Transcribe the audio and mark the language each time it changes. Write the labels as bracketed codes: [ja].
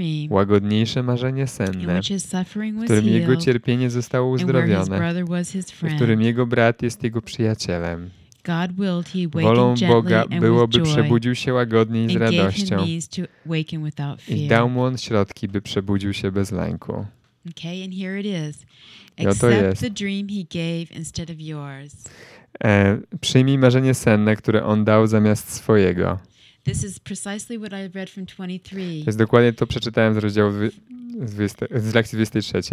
[pl] Łagodniejsze marzenie senne, w którym jego cierpienie zostało uzdrowione, w którym jego brat jest jego przyjacielem. Wolą Boga byłoby przebudził się łagodniej z radością i dał mu on środki, by przebudził się bez lęku. [en] Okay, and here it is. Accept the dream he gave instead of yours. [pl] Przyjmij marzenie senne, które on dał zamiast swojego. [en] This is precisely what I read from 23. [pl] To jest dokładnie to, przeczytałem z rozdziału z lekcji 23.